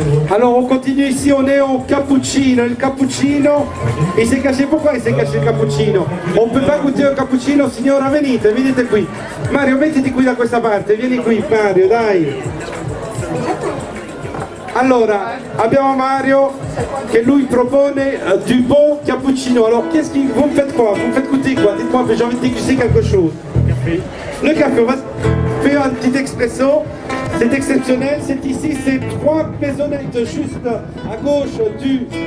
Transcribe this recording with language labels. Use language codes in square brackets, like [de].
[fr] Alors on continue ici, on est au cappuccino, le cappuccino. Il s'est caché, pourquoi il s'est caché le cappuccino? On ne peut pas goûter un cappuccino, [it] signora, venite, venite qui. Mario, mettiti qui da questa parte, vieni qui Mario, dai. Allora, abbiamo Mario che lui propone [fr] du bon [it] cappuccino. [fr] Allora, qu'est-ce qui vous faites quoi? Vous faites goûter quoi? Dites-moi, j'ai envie de déguster quelque chose. Le café. Le café, on va faire un petit expresso. C'est exceptionnel, c'est ici, c'est trois maisonnettes juste à gauche du...